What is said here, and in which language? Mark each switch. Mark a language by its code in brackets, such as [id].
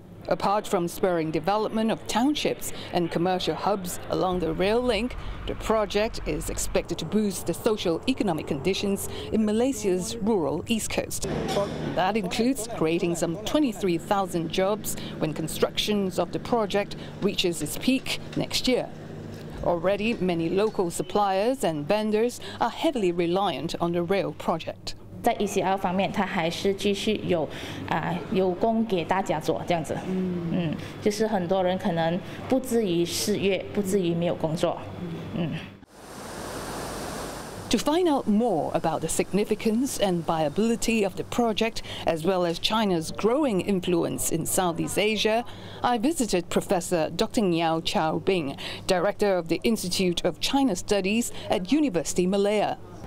[en] Apart from spurring development of townships and commercial hubs along the rail link, the project is expected to boost the social economic conditions in Malaysia's rural east coast. That includes creating some 23,000 jobs when construction of the project reaches its peak next year. Already, many local suppliers and vendors are heavily reliant on the rail project. [zh] 在 ECL 方面，它还是继续有供给大家做这样子。就是很多人可能不至于失业，不至于没有工作。To [en] find out more about the significance and viability of the project, as well as China's growing influence in Southeast Asia, I visited Professor Dr. Niao Chao Bing, Director of the Institute of China Studies at University Malaya.